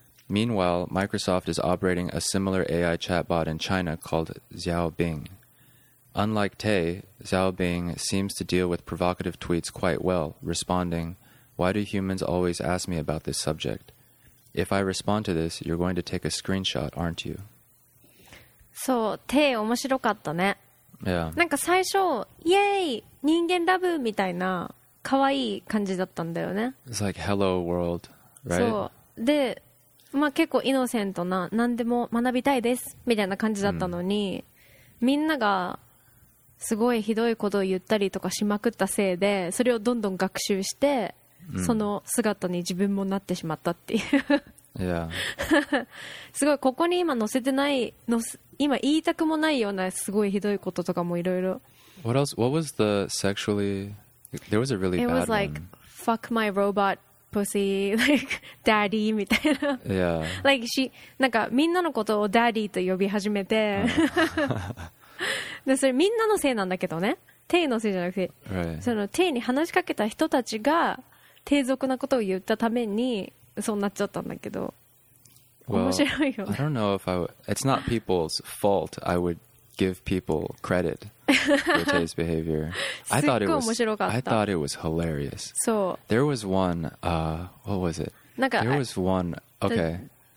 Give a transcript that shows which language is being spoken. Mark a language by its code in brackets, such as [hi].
[en] Meanwhile, Microsoft is operating a similar AI chatbot in China called Xiao Bing. Unlike Tay, Xiao Bing seems to deal with provocative tweets quite well, responding, Why do humans always ask me about this subject? If I respond to this, you're going to take a screenshot, aren't you? [ja] そう、テイ面白かったね。 [en] Yeah. [ja] なんか最初、イエーイ、人間ラブみたいな可愛い感じだったんだよね。 [en] It's like hello world, right? [ja] そう。で、まあ結構イノセントな、何でも学びたいですみたいな感じだったのに、みんながすごいひどいことを言ったりとかしまくったせいで、それをどんどん学習して。その姿に自分もなってしまったっていう。 [en] Yeah. [ja] すごい、ここに今載せてないの、今言いたくもないようなすごいひどいこととかもいろいろ。 [en] What else? What was the sexually? There was a really bad one. It was like fuck my robot pussy like daddy [ja] みたいな。 [en] Yeah. Like she, [ja] なんかみんなのことをダディと呼び始めて、でそれみんなのせいなんだけどね、テイのせいじゃなくて、 [en] right. [ja] そのテイに話しかけた人たちが低俗なことを言ったためにそうなっちゃったんだけど、 [en] well, [ja] 面白いよね。 [en] I don't know if I would, it's not people's fault. I would give people credit for Tay's behavior. I thought it was [ja] 面白かった。 [en] I thought it was hilarious. [ja] そう。 [en] There was one, what was it? [ja] なんか、 [en] There was one, okay.